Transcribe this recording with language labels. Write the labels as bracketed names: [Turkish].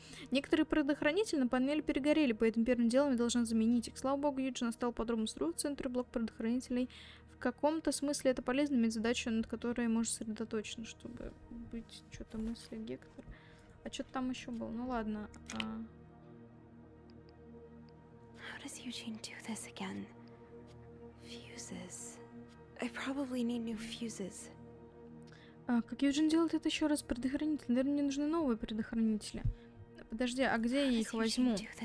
[Russian] Некоторые предохранители на панели перегорели, поэтому первым делом я должна заменить их. Слава богу, Юджин оставил подробную инструкцию в центре блока предохранителей. В каком-то смысле это полезно, иметь задачу, над которой можно сосредоточиться, чтобы быть что-то мысли Гектор. А что-то там еще было? Ну ладно. [English] Does Eugene do this again? Fuses. I probably need new fuses. [Russian] Как Юджин делает это еще раз? Предохранитель. Наверное, мне нужны новые предохранители. Подожди, а где я их возьму?